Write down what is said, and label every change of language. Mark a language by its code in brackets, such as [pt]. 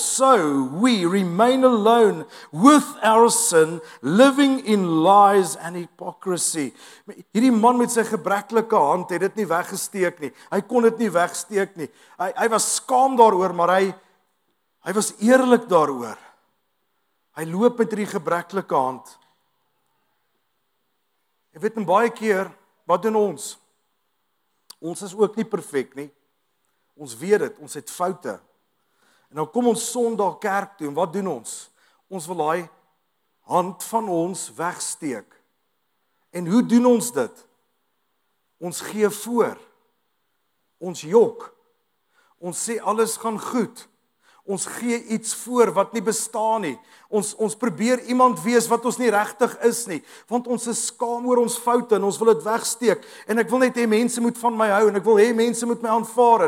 [en] "So we remain alone with our sin, living in lies and hypocrisy." [af] Hierdie man met sy gebreklike hand het dit nie weggesteek nie. Hy kon dit nie wegsteek nie. Hy was skaam daaroor, maar hy was eerlik daaroor. Hy loop met hierdie gebreklike hand. Ek weet, en baie keer, wat doen ons? Ons is ook nie perfek nie. Ons weet dit, ons het foute. En nou kom ons Sondag kerk toe, en wat doen ons? Ons wil daai hand van ons wegsteek. En hoe doen ons dit? Ons gee voor. Ons jok. Ons sê alles gaan goed. Ons gee iets voor wat nie bestaan nie. Ons probeer iemand wees wat ons nie regtig is nie. Want ons is skaam oor ons foute en ons wil dit wegsteek. En ek wil net hê mense moet van my hou en ek wil hê mense moet my aanvaar.